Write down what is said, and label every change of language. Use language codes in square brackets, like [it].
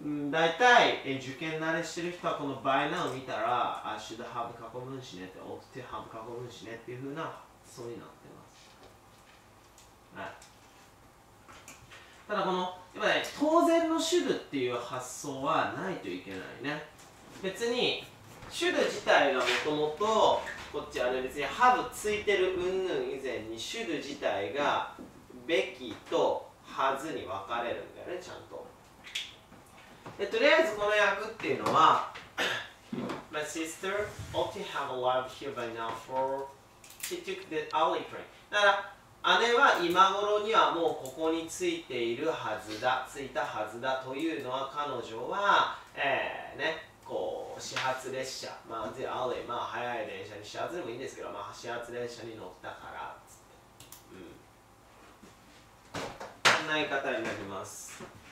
[ja] 大体受験慣れしてる人はこの by now 見たら、あ、should have 過去分詞ねって、 ought to have 過去分詞ねっていう風な発想になってます、はい、ただこの、やっぱね、当然の should っていう発想はないといけないね。別に should 自体がもともとこっちはね、別にハブついてる云々以前に、シュル自体がべきとはずに分かれるんだよね、ちゃんと。でとりあえずこの訳っていうのは [en] My sister ought to have arrived here by now for she took the early train。 [ja] だから姉は今頃にはもうここに着いているはずだ、着いたはずだというのは、彼女はね、こう始発列車、まあ the early、 まあ早い電車に、始発でもいいんですけど、まあ始発列車に乗ったからっつって、こんな言い方になります。